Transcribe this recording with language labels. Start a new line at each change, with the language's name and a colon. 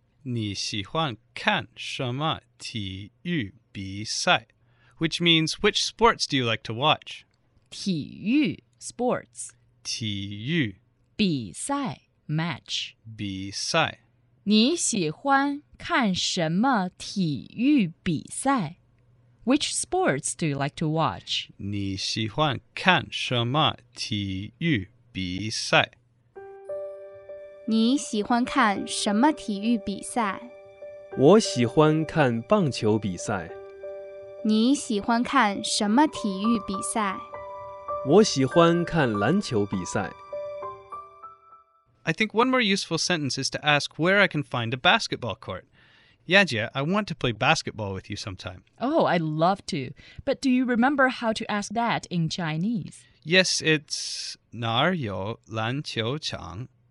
Chinese: 你喜欢看什么体育比赛?
English: Which means, which sports do you like to watch?
Chinese: 体育 sports. 体育比赛 match. 比赛你喜欢看什么体育比赛
English: Which sports do you like to watch?
Chinese: 你喜欢看什么体育比赛你喜欢看什么体育比赛我喜欢看棒球比赛你喜欢看什么体育比赛我喜欢看篮球比赛。
English: I think one more useful sentence is to ask where I can find a basketball court. Yajie, I want to play basketball with you sometime. Oh, I'd love to. But do you remember how to ask that in Chinese? Yes, it's
Chinese: 哪儿有篮球场?